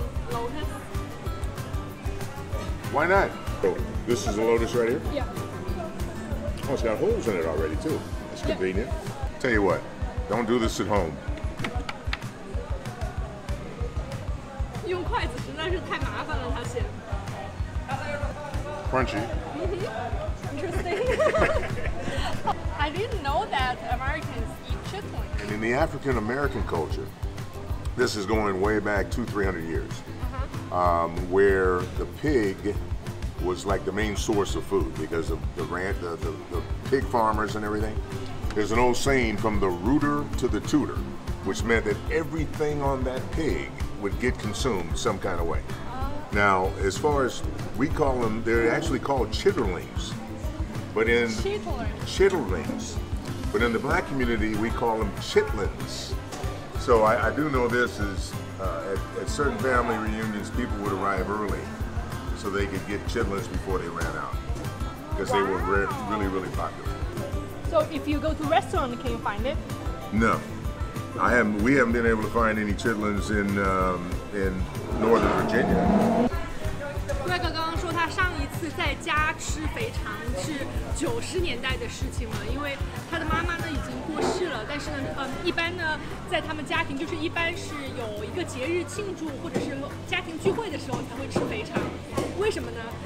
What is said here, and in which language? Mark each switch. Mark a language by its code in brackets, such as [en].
[en] So ready to try some lotus? Why not? Oh, this is a lotus right here? Yeah. Oh, it's got holes in it already too. That's convenient. Yeah. Tell you what, don't do this at home. [zh] 用筷子实在是太麻烦了，他先。 [en] Crunchy. Interesting. I didn't know that Americans eat chitlins. In the African-American culture,This is going way back 200-300 years, where the pig was like the main source of food because of the ranch, the pig farmers and everything. There's an old saying, from the rooter to the tooter, which meant that everything on that pig would get consumed some kind of way. Now, as far as we call them, they're actually called chitterlings. But in chitterlings. But in the black community, we call them chitlins. So I do know this is, at certain family reunions, people would arrive early so they could get chitlins before they ran out. Because they were really, really popular. So if you go to a restaurant, can you find it? No. We haven't been able to find any chitlins in Northern Virginia. [zh] Greg 刚刚说他上一次在家吃肥肠是90年代的事情了，因为他的妈妈呢已经过世了。但是呢，一般呢，在他们家庭就是一般是有一个节日庆祝或者是家庭聚会的时候才会吃肥肠。为什么呢？